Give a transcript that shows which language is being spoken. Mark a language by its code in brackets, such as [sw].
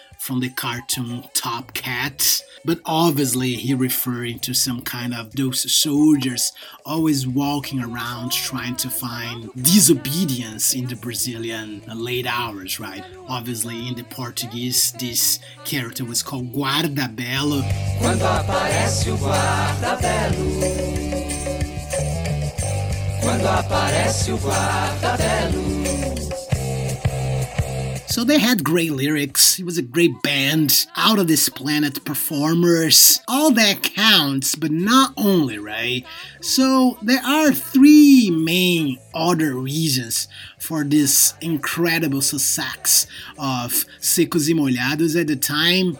[en] from the cartoon Top Cat. But obviously he referring to some kind of those soldiers always walking around trying to find disobedience in the Brazilian late hours, right? Obviously in the Portuguese this character was called Guarda Belo. [pt] Quando aparece o Guarda Belo. Quando aparece o Guarda Belo. [en] So they had great lyrics, it was a great band, out of this planet performers, all that counts, but not only, right? So there are three main other reasons for this incredible success of Secos e Molhados at the time.